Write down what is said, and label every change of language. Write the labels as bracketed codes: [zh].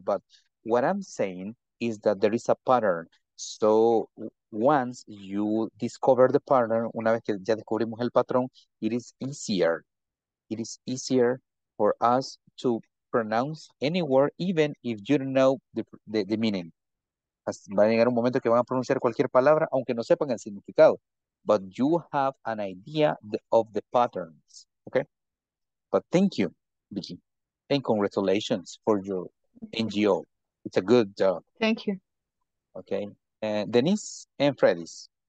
[en] But what I'm saying is that there is a pattern. So once you discover the pattern, [es] una vez que ya descubrimos el patrón, [en] it is easier. It is easier for us to pronounce any word, even if you don't know the meaning. [es] Va a llegar un momento que van a pronunciar cualquier palabra, aunque no sepan el significado. [en] But you have an idea of the patterns, okay? But thank you, Vicky. And congratulations for your NGO. It's a good job. Thank you. Okay, and Denise and Freddy's.